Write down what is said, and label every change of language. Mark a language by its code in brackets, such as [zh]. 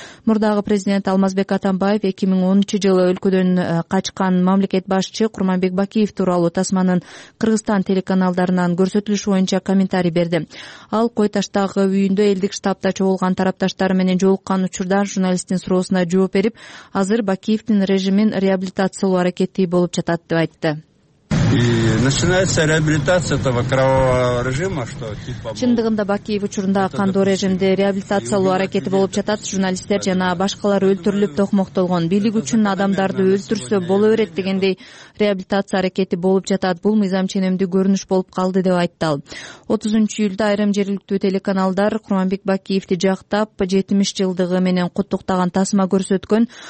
[ky] Мурдагы президент Алмазбек Атамбаев 2010-жылы өлкөдөн качкан мамлекет башчы Курманбек Бакиев тууралуу тасманын Кыргызстан телеканалдарынан көрсөтүлүшү боюнча комментарий берди. Ал Кой таштагы үйүндө элдик штабта чогулган тарапташтары менен жолуккан учурда журналисттин суроосуна жооп берип, азыр Бакиевдин режимин реабилитациялоо аракети болуп жатат деп айтты. [ru] Начинается реабилитация этого кровавого режима, что типа [ky] чындыгында Бакиев учурунда кандуу режимде реабилитациялоо аракети болуп жатат. Журналисттер жана башкалар өлтүрүлүп токмоктолгон. Бийлик үчүн адамдарды өлтүрсө боло берет дегендей реабилитация аракети болуп жатат. Бул мыйзам ченемдүү көрүнүш болуп калды деп айтты ал. 30-июлда айрым жергиликтүү телеканалдар Курманбек Бакиевди жактап, 70 жылдыгы менен куттуктаган тасма көрсөткөн.